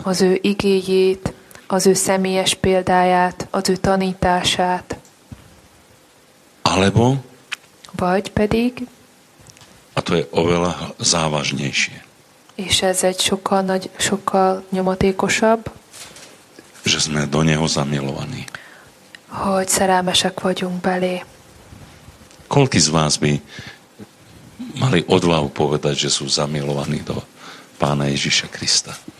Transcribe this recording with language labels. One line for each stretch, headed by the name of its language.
Hungarian: Az ő igéjét, az ő személyes példáját, az ő tanítását.
Slovak: Alebo?
Hungarian: Vagy pedig?
Slovak: A to je oveľa závažnejšie.
Hungarian: És ez egy sokkal, sokkal nyomatékosabb.
Slovak: Že sme do neho zamilovaní.
Hungarian: Hogy szerelmesek vagyunk belé.
Slovak: Koľký z vás by mali odvahu povedať, že sú zamilovaní do pána Ježiša Krista?